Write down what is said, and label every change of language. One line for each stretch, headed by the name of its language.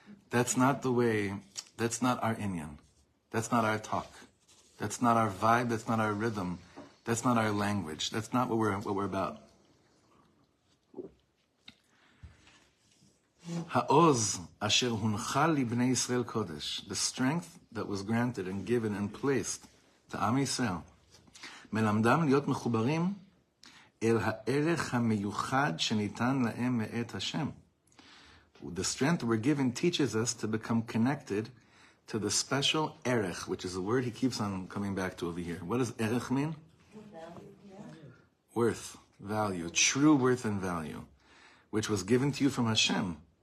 English: That's not the way. That's not our inyan. That's not our talk. That's not our vibe. That's not our rhythm. That's not our language. That's not what we're about.
Hebrew: Ha'oz asher huncha li bnei Yisrael kodesh.
English: The strength that was granted and given and placed to Am Yisrael.
Hebrew: מלמדם להיות מחוברים אל הערך המיוחד שניתן להם מאת השם.
English: The strength we're given teaches us to become connected to the special ערך, which is a word he keeps on coming back to over here. What does ערך mean? Worth, value, true worth and value, which was given to you from Hashem.